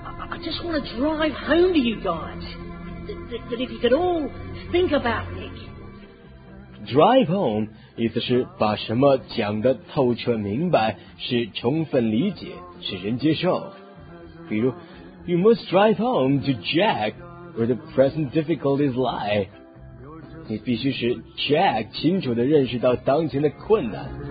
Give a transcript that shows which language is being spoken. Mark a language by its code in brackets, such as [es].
[en] I just want to drive home to you guys. That if you could all think about Nick. Drive home [zh] 意思是把什么讲得透彻明白，是充分理解，使人接受。比如 [en] ，You must drive home to Jack where the present difficulties lie. [zh] 你必须使 Jack 清楚地认识到当前的困难。